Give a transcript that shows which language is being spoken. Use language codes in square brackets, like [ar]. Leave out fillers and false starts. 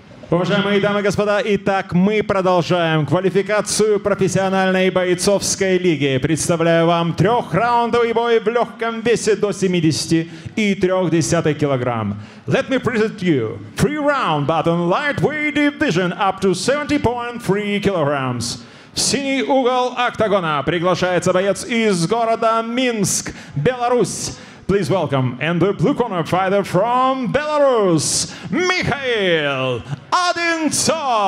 [ru] Уважаемые дамы и господа, итак, мы продолжаем квалификацию профессиональной бойцовской лиги. Представляю вам трехраундовый бой в легком весе до 70,3 килограмм. [en] Let me present you three-round battle in lightweight division up to 70.3 kilograms. [ru] В синий угол октагона приглашается боец из города Минск, Беларусь. [en] Please welcome in the blue corner fighter from Belarus, Mikhail Одинцов.